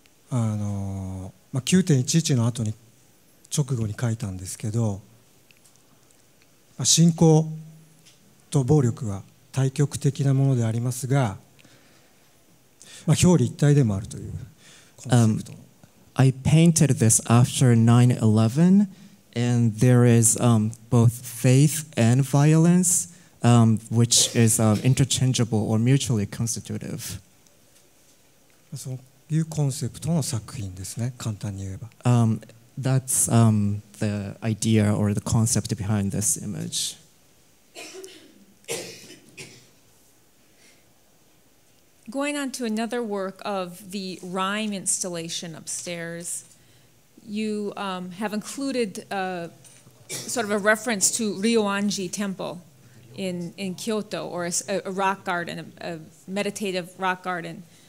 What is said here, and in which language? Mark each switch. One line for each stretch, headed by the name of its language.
Japanese: まあ、9.11 の後に直後に書いたんですけど、信仰と暴力は対極的なものでありますが、まあ、表裏一体でもあるというコンセプト。
English: I painted this after 9/11, and there is both faith and violence, which is interchangeable or mutually constitutive.
Japanese: そういうコンセプトの作品ですね、簡単に言えば。
English: That's the idea or the concept behind this image. Going on to another work of the rhyme installation upstairs, you have included a, sort of a reference to Ryoanji Temple in Kyoto, or a rock garden, a meditative rock garden.